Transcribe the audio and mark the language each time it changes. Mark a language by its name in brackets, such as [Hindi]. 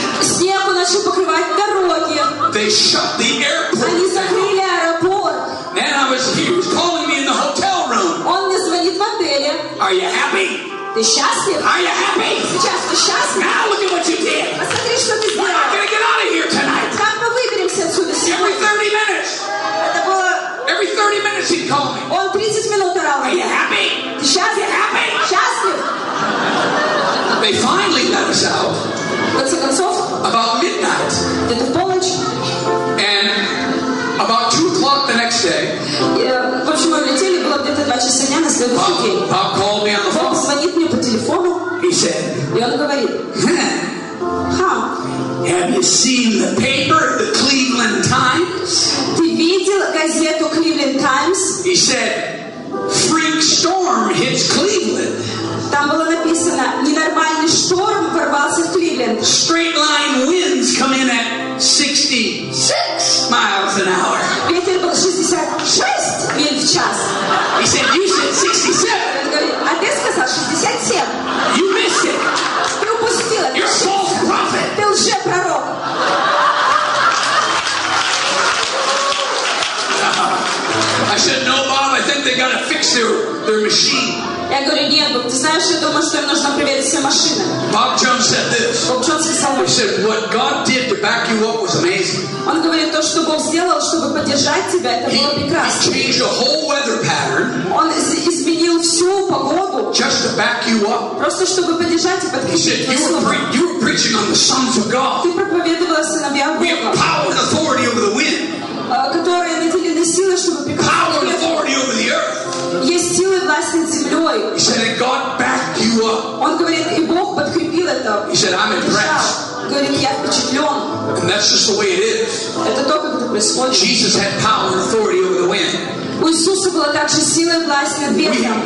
[Russian] Снег начал покрывать дороги. [English] They shut the airport. [Russian] Они закрыли аэропорт. [English] Man, he was calling me in the hotel room. [Russian] Он мне звонит в отеле. [English] Are you happy? [Russian] Ты счастлив? [English] Are you happy? [Russian] Сейчас ты счастлив? [English] Now look at what you did. [Russian] Посмотри, что ты сделал. [English] We're not going to get out of here tonight. [Russian] Как мы выберемся отсюда сегодня? [English] Every 30 minutes. [Russian] Это было. [English] Every 30 minutes he'd call me. [Russian] Он 30 минут орал. [English] Are you happy? [Russian] Ты счастлив? [English] Are you happy? [Russian] Счастлив. [English] They finally let us out. What's the result? About midnight. Did the polish? And about 2 o'clock the next day. [Russian] В общем, мы летели, было где-то 2 часа дня на следующий день. [English] Bob called me on the phone. [Russian] Bob звонит мне по телефону. [English] He said. [Russian] И он говорит. [English] How? Have you seen the paper, the Cleveland Times? [Russian] Ты видел газету Cleveland Times? [English] He said. Freak storm hits Cleveland. [Russian] Там было написано, ненормальный шторм ворвался в Кливленд. [English] Straight line winds come in at 66 miles an hour. [Russian] Ветер был 66 миль в час. [English] He said, you said 67. [Russian] Говорит, а ты сказал 67. [English] You missed it. [Russian] Ты упустил это. [English] You're a false prophet. [Russian] Ты лжепророк. [English] I said, no, Bob, I think they got to fix their machine. [Russian] Я говорю, нет, Боб, ты знаешь, я думаю, что им нужно проверить все машины. [English] Bob Jones said this. [Russian] Bob Jones сказал, [English] he said, what God did to back you up was amazing. [Russian] Он говорит, то, что Бог сделал, чтобы поддержать тебя, это было прекрасно. [English] He changed the whole weather pattern. [Russian] Он изменил всю погоду. [English] Just to back you up. [Russian] Просто чтобы поддержать и подкрепить. [English] He said, you were preaching on the sons of God. [Russian] Ты проповедовал о сыновьях Бога. [English] We have power and authority over the wind. [Russian] Которые наделены силой, чтобы [English] power and authority over the earth. [Russian] Есть силы власть над землей. [English] He said, and God backed you up. [Russian] Он говорит, и Бог подкрепил это. [English] He said, I'm impressed. [Russian] Говорит, я впечатлен. [English] And that's just the way it is. [Russian] Это то, как это происходит. [English] Jesus had power and authority over the wind. [Russian] У Иисуса была также сила и власть над ветром.